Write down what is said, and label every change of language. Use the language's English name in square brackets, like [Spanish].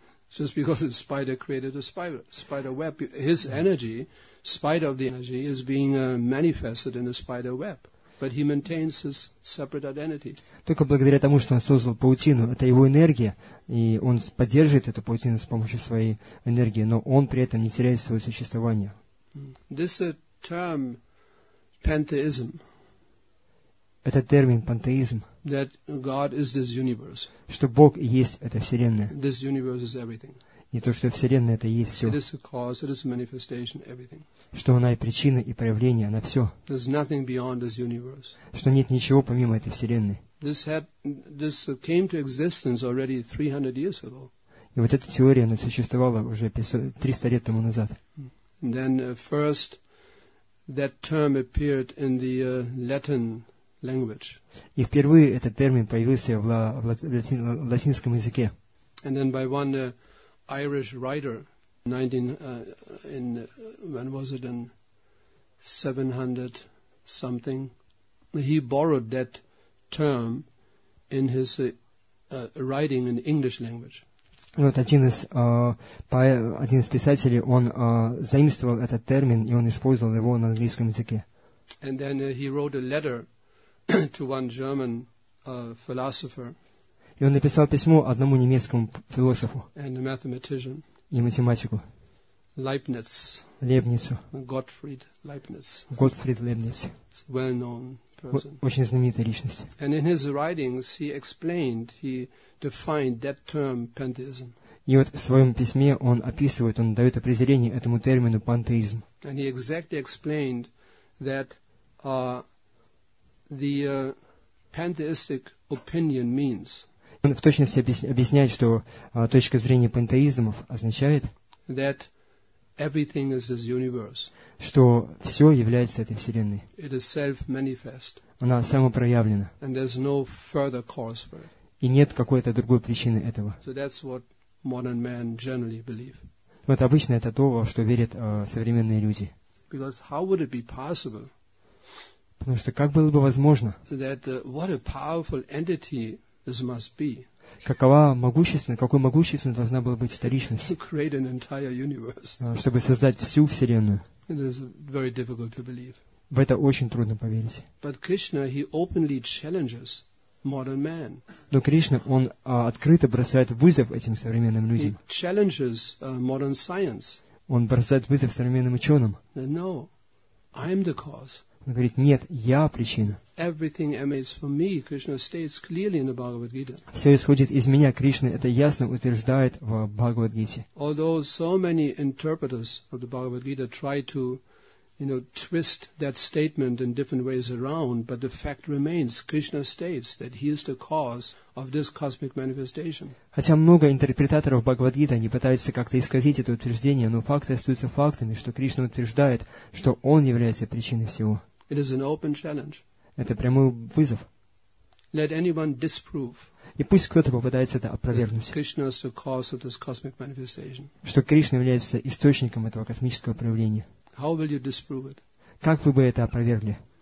[English] Just because the spider created a spider web, his energy, spider of the energy, is being manifested in a spider web, but he maintains his separate identity. [Russian] Только благодаря тому, что он создал паутину, это его энергия, и он поддерживает эту паутину с помощью своей энергии, но он при этом не теряет свое существование. [English] This term, pantheism. [Russian] Это термин пантеизм. [English] That God is this universe. [Russian] Что Бог и есть эта вселенная. [English] This universe is everything. [Russian] И то, что вселенная, это и есть все. [English] It is a cause, it is a manifestation, everything. [Russian] Что она и причина, и проявление, она все. [English] There's nothing beyond this universe. [Russian] Что нет ничего помимо этой вселенной. [English] This came to existence already 300 years ago. [Russian] И вот эта теория, она существовала уже 300 лет тому назад. [English] And then first that term appeared in the Latin language. [Russian] И впервые этот термин появился в латинском языке. [English] And then by one Irish writer, when was it, in 700 something, he borrowed that term in his writing in English language. [Russian] Вот один из писателей, он заимствовал этот термин, и он использовал его на английском языке. [English] And then he wrote a letter to one German philosopher. [Russian] И он написал письмо одному немецкому философу. [English] And a mathematician. [Russian] И математику. [English] Leibniz. [Russian] Лейбницу. [English] Gottfried Leibniz. [Russian] Gottfried Leibniz. [English] Well-known person. [Russian] Очень знаменитая личность. [English] And in his writings he explained, he defined that term pantheism. [Russian] И вот в своем письме он описывает, он дает определение этому термину пантеизм. [English] And he exactly explained that the pantheistic opinion means. [Russian] Он в точности объясняет, что точка зрения пантеизмов означает, [English] that everything is this universe. [Russian] Что все является этой вселенной. [English] It is self-manifest. [Russian] Она самопроявлена. [English] And there's no further cause for it. [Russian] И нет какой-то другой причины этого. [English] So that's what modern men generally believe. [Russian] Вот обычно это то, во что верят современные люди. [English] Because how would it be possible? [Russian] Потому что как было бы возможно, [English] that, what a powerful entity this must be, [Russian] какой могущественной должна была быть эта личность, [English] to create an entire universe. [Russian] Чтобы создать всю Вселенную. [English] It is very difficult to believe. [Russian] В это очень трудно поверить. [English] But Krishna, he openly challenges modern man. [Russian] Но Кришна, он открыто бросает вызов этим современным людям. [English] He challenges, modern science. [Russian] Он бросает вызов современным ученым. [English] No, I'm the cause. [Russian] Он говорит, нет, я причина. [English] Everything emanates from me, Krishna states clearly in the Bhagavad Gita. [Russian] Все исходит из меня, Кришна это ясно утверждает в Бхагавад Гите. [English] Although so many interpreters of the Bhagavad Gita try to, you know, twist that statement in different ways around, but the fact remains, Krishna states that he is the cause of this cosmic manifestation. [Russian] Хотя много интерпретаторов Бхагавад Гиты, они пытаются как-то исказить это утверждение, но факты остаются фактами, что Кришна утверждает, что он является причиной всего. [English] It is an open challenge. [Russian] Это прямой вызов. [English] Let anyone disprove. [Russian] И пусть кто-то попытается это опровергнуть. [English] Krishna is the cause of this cosmic manifestation. [Russian] Что Кришна является источником этого космического проявления. [English] How will you disprove it? [Russian] Как вы бы это опровергли?